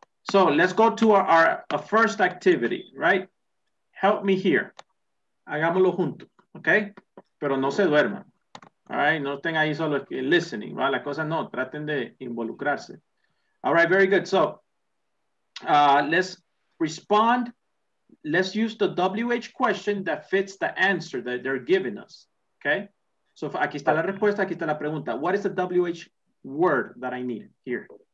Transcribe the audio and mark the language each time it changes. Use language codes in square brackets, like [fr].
[en] So let's go to our first activity, right? [es] Help me here. Hagámoslo juntos, ok? Pero no se duerman. All right, no estén ahí solo listening, ¿verdad? La cosa no, traten de involucrarse. All right, very good. [en] So, let's respond. Let's use the WH question that fits the answer that they're giving us, okay? [es] So, aquí está la respuesta, aquí está la pregunta. [en] What is the WH word that I need here?